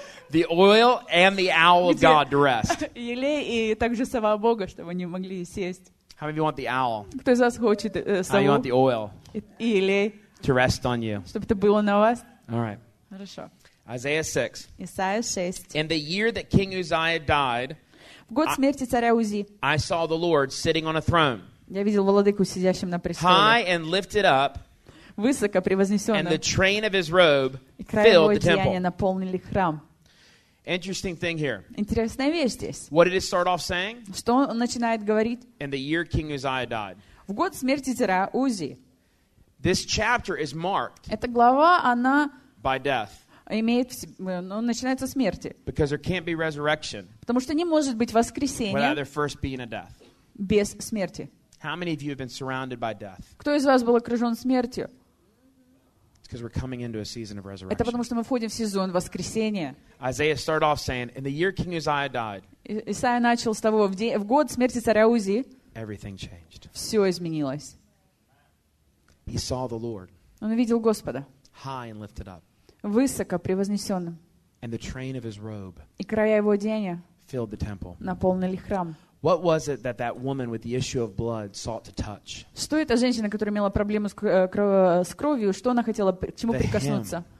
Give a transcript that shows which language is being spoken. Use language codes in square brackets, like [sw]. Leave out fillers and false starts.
[en] The oil and the owl of God to rest. [ru] Елей и также сова Бога, чтобы они могли сесть. [en] How many of you want the owl? [ru] Кто из вас хочет сову? [en] How you want the oil? [ru] Или [en] to rest on you. [ru] Чтобы это было на вас. [en] All right. [ru] Хорошо. [en] Isaiah 6. [ru] Исаия 6. [en] In the year that King Uzziah died, [ru] в год смерти царя Узи, [en] I saw the Lord sitting on a throne. [ru] Я видел Владыку сидящим на престоле. [en] High and lifted up. [ru] Высоко превознесённым. [en] And the train of his robe filled the temple. [ru] И края его одеяния наполнили храм. [en] Interesting thing here. [ru] Интересная вещь здесь. [en] What did it start off saying? [ru] Что он начинает говорить? [en] In the year King Uzziah died. [ru] В год смерти царя Узи. [en] This chapter is marked. [ru] Эта глава она. [en] By death. [ru] Имеет, начинается смерти. [en] Because there can't be resurrection. [ru] Потому что не может быть воскресения. [en] Without there first being a death. [ru] Без смерти. [en] How many of you have been surrounded by death? [ru] Кто из вас был окружен смертью? [en] Because we're coming into a season of resurrection. [ru] Это потому что мы входим в сезон воскресения. [en] Isaiah started off saying, "In the year King Uzziah died." [ru] Исаия начал с того, в год смерти царя Узи. [en] Everything changed. [ru] Все изменилось. [en] He saw the Lord. [ru] Он видел Господа. [en] High and lifted up. [ru] Высоко превознесенным. [en] And the train of his robe. [ru] И края его одеяния. [en] Filled the temple. [ru] Наполнили храм. [en] What was it that that woman with the issue of blood sought to touch? [ru] Что эта женщина, которая имела проблему с кровью, что она хотела к чему прикоснуться?